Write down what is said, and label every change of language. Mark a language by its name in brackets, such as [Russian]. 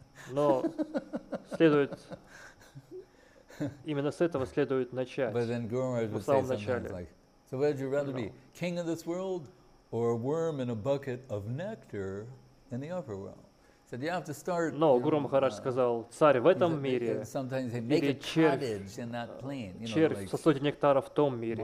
[Russian] Но следует... Именно с этого следует начать. [English] But then Guru Maharaj would say something like, so would you rather be king of this world or a worm in a bucket of nectar in the upper world? Said you have to start. [Russian] Но Гуру Махарадж сказал: царь в этом мире или червь, червь сосуде нектара в том мире.